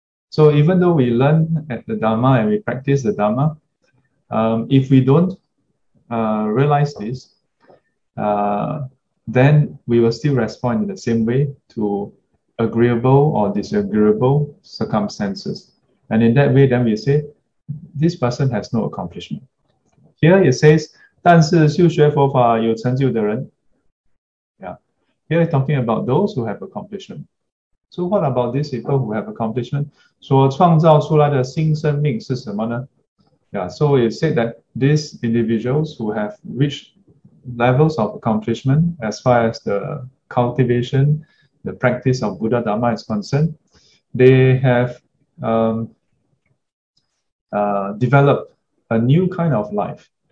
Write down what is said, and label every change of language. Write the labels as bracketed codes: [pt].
[en] So even though we learn at the Dharma and we practice the Dharma, if we don't realize this, then we will still respond in the same way to agreeable or disagreeable circumstances. And in that way, then we say, this person has no accomplishment. Here it says, [zh] 但是修学佛法有成就的人, [en] here talking about those who have accomplishment. So what about these people who have accomplishment? [zh] 所创造出来的新生命是什么呢? [en] Yeah, so it said that these individuals who have reached levels of accomplishment as far as the cultivation, the practice of Buddha Dharma is concerned, they have developed a new kind of life.